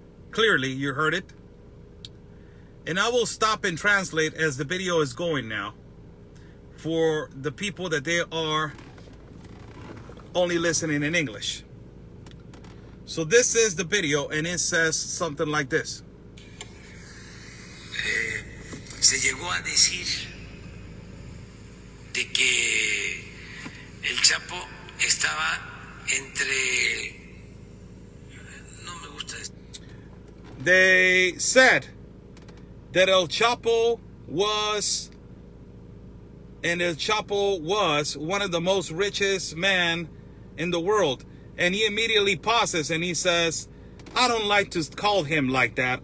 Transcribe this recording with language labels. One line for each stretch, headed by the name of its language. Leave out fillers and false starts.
English: Clearly, you heard it. And I will stop and translate as the video is going now for the people that they are only listening in English. So this is the video, and it says something like this.
Spanish: Se llegó a decir de que el Chapo estaba entre, no me gusta esto.
English: They said that El Chapo was, and El Chapo was one of the most richest men in the world. And he immediately pauses and he says, I don't like to call him like that.